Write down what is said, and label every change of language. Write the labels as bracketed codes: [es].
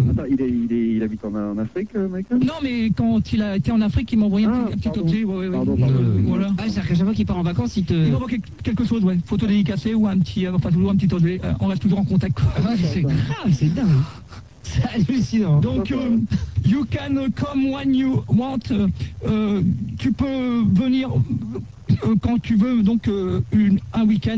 [fr] Il habite en Afrique, Michael ? Non, mais quand il a été en Afrique, il m'a envoyé un petit objet. Ouais, pardon. Voilà. Ah, c'est-à-dire qu'à chaque fois qu'il part en vacances, il te... Il m'envoie quelque chose, ouais. Photo dédicacée ou un petit objet. On reste toujours en contact. Ah, c'est grave, c'est dingue. C'est hallucinant. [en] Donc, you can come when you want. [fr] Tu peux venir quand tu veux, donc un week-end.